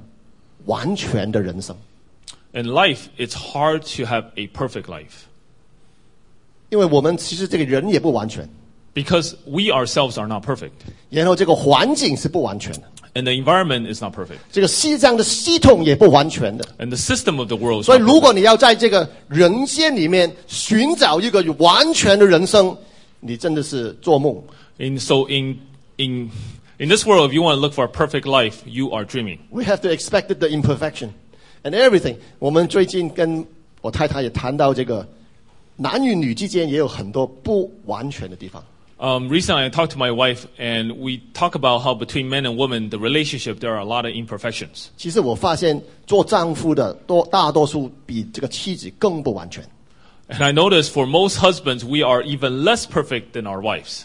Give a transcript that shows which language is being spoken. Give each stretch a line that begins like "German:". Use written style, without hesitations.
Chinese: 这人生里面很难有这个完美的、完全的人生。
English: In life, it's hard to have a perfect life.
Chinese: 因为我们其实这个人也不完全。
English: Because we ourselves are not perfect.
Chinese: 然后这个环境是不完全的。
English: And the environment is not perfect.
Chinese: 这个西藏的系统也不完全的。
English: And the system of the world is not perfect.
Chinese: 所以如果你要在这个人间里面寻找一个完全的人生, 你真的是做梦。
English: And so in this world, if you want to look for a perfect life, you are dreaming. We have to expect the imperfection and everything.
Chinese: 我们最近跟我太太也谈到这个男与女之间也有很多不完全的地方。
English: Recently, I talked to my wife, and we talked about how between men and women, the relationship, there are a lot of imperfections.
Chinese: 其实我发现做丈夫的大多数比这个妻子更不完全。
English: And I noticed for most husbands, we are even less perfect than our wives.